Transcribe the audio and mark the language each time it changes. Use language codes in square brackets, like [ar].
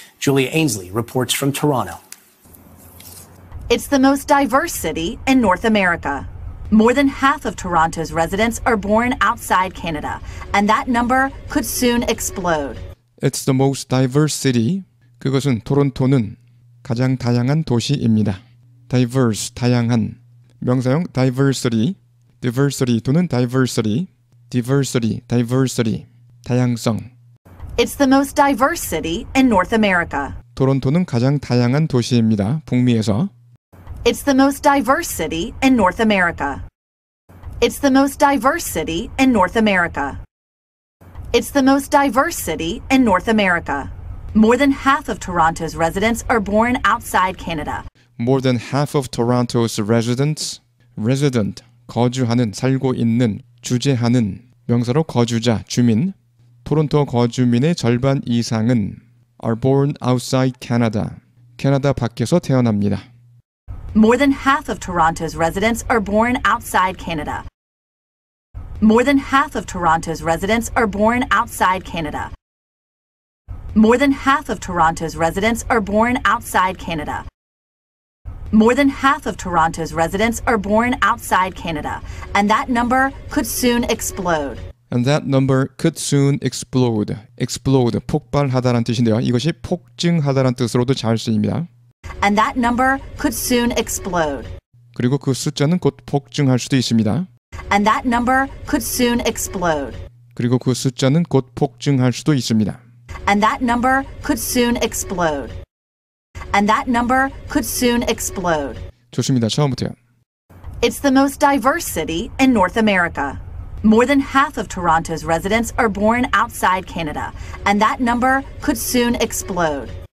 [en] Julia Ainsley reports from Toronto. It's the most diverse city in North America. More than half of Toronto's residents are born outside Canada, and that number could soon explode. It's the most diverse city. [ko] 그것은 토론토는 가장 다양한 도시입니다. Diverse, 다양한. 명사형 diversity, diversity 또는 diversity, diversity, diversity, 다양성. [en] It's the most diverse city in North America. [ko] 토론토는 가장 다양한 도시입니다. 북미에서. [en] It's the most diverse city in North America. It's the most diverse city in North America. It's the most diverse city in North America. More than half of Toronto's residents are born outside Canada. More than half of Toronto's residents, resident, [ko] 거주하는, 살고 있는, 주재하는, 명사로 거주자, 주민, 토론토 거주민의 절반 이상은 [en] are born outside Canada, [ko] 캐나다 밖에서 태어납니다. [en] More than half of Toronto's residents are born outside Canada. More than half of Toronto's residents are born outside Canada. More than half of Toronto's residents are born outside Canada. More than half of Toronto's residents are born outside Canada, and that number could soon explode. And that number could soon explode. [ko] Explode, 폭발하다라는 뜻인데요. 이것이 폭증하다라는 뜻으로도 잘 쓰입니다. [en] And that number could soon explode. [ko] 그리고 그 숫자는 곧 폭증할 수도 있습니다. [en] And that number could soon explode. [ko] 그리고 그 숫자는 곧 폭증할 수도 있습니다. [en] And that number could soon explode. And that number could soon explode. [ko] 좋습니다. 처음부터요. [en] It's the most diverse city in North America. More than half of Toronto's residents are born outside Canada, and that number could soon explode.